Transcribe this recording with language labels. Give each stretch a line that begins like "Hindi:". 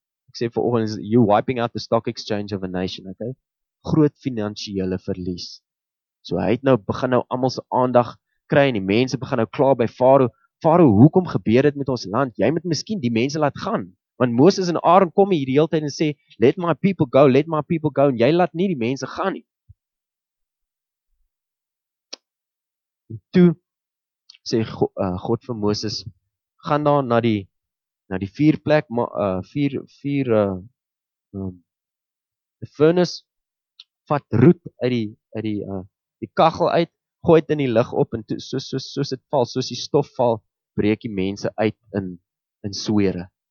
Afrikaans: Ek sê vanoggend is
English: you wiping out the stock exchange of a nation, okay?
Afrikaans: Groot finansiële verlies. So hy het nou begin nou almal se aandag kry en die mense begin nou kla by Farao. Farao, hoekom gebeur dit met ons land? Jy moet miskien die mense laat gaan. Want Moses en Aaron kom hier die hele tyd en sê,
English: "Let my people go, let my people go,"
Afrikaans: en jy laat nie die mense gaan nie. En toe sê God vir Moses, "Gaan daar na die vuurplek, the furnace, vat roet uit die kaggel uit, gooi dit in die lug op en soos dit val, soos die stof val, breek die mense uit in swere."